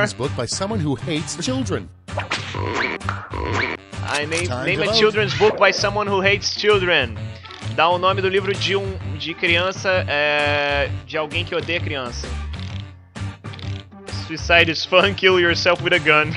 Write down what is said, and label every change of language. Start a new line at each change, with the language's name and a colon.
English: Name a children's book by someone who hates children. I name a children's book by someone who hates children.
Portuguese: Dá o nome do livro de criança, de alguém que odeia criança.
English: Suicide is fun, kill yourself with a gun.